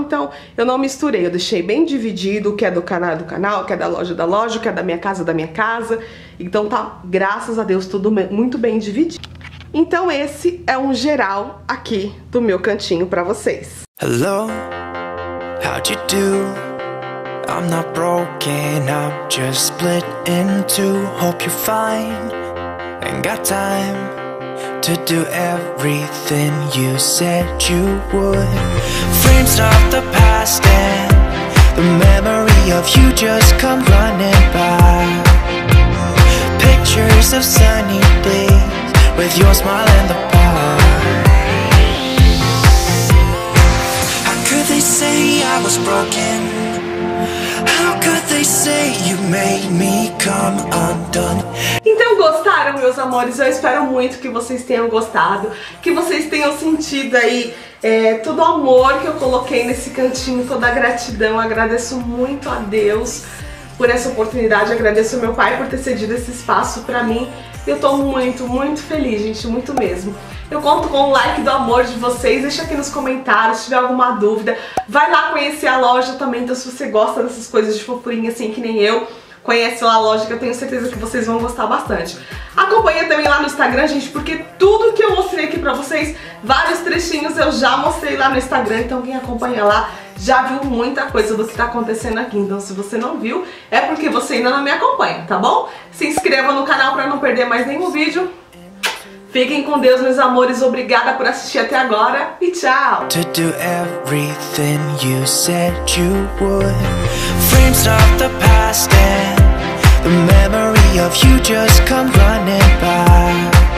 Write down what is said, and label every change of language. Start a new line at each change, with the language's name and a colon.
Portuguese: Então, eu não misturei, eu deixei bem dividido o que é do canal, o que é da loja, o que é da minha casa... Então tá, graças a Deus, tudo muito bem dividido. Então esse é um geral aqui do meu cantinho pra vocês.
English: Hello, how'd you do? I'm not broken, I'm just split in two. Hope you're fine. Ain't got time to do everything you said you would. Frames of the past and the memory of you just come running by. Pictures of sunny days with your smile in the park. How could they say I was broken? How could they say you made me come undone?
Portuguese: Então gostaram, meus amores? Eu espero muito que vocês tenham gostado, que vocês tenham sentido aí todo o amor que eu coloquei nesse cantinho, toda a gratidão. Agradeço muito a Deus por essa oportunidade, agradeço ao meu pai por ter cedido esse espaço pra mim. Eu tô muito, muito feliz, gente, muito mesmo. Eu conto com o like do amor de vocês, deixa aqui nos comentários se tiver alguma dúvida. Vai lá conhecer a loja também, então se você gosta dessas coisas de fofurinha assim que nem eu, conhece lá a loja que eu tenho certeza que vocês vão gostar bastante. Acompanha também lá no Instagram, gente, porque tudo que eu mostrei aqui pra vocês, vários trechinhos eu já mostrei lá no Instagram, então quem acompanha lá já viu muita coisa do que tá acontecendo aqui. Então se você não viu, é porque você ainda não me acompanha, tá bom? Se inscreva no canal pra não perder mais nenhum vídeo. Fiquem com Deus, meus amores. Obrigada por assistir até agora e tchau!
English: To do everything you said you would. Frames of the past and the memory of you just come running by.